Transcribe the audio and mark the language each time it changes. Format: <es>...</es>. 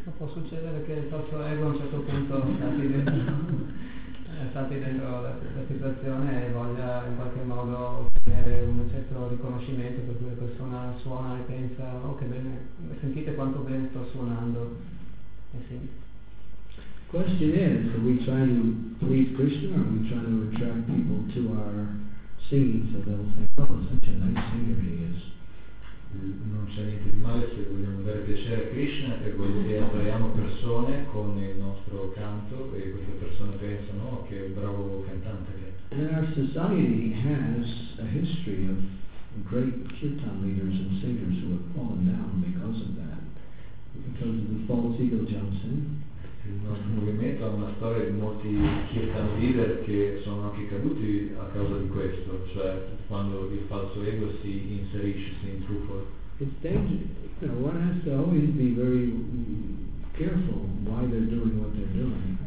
<it>non può succedere che il nostro ego a un certo punto stati dentro la situazione e voglia in qualche modo ottenere un certo riconoscimento, per cui la persona suona e pensa, oh che bene, sentite quanto bene sto suonando. E sì.</it> <en>Question is, are we trying to please Krishna, or are we trying to attract people to our singing so they'll think, oh, such a nice singer he is?</en> <it>Non c'è niente di male se vogliamo dare piacere a Krishna e attraiamo persone con il nostro canto e queste persone pensano, oh, che bravo cantante che è.</it> <en>And our society has a history of great kirtan leaders and singers who have fallen down because of that, because of the false ego jumps in.</en> <it>Il nostro movimento ha una storia di molti kirtan leader che sono anche caduti a causa di questo, cioè quando il falso ego si inserisce, si intruffa.</it> <en>It's dangerous. You know, one has to always be very careful why they're doing what they're doing.</en>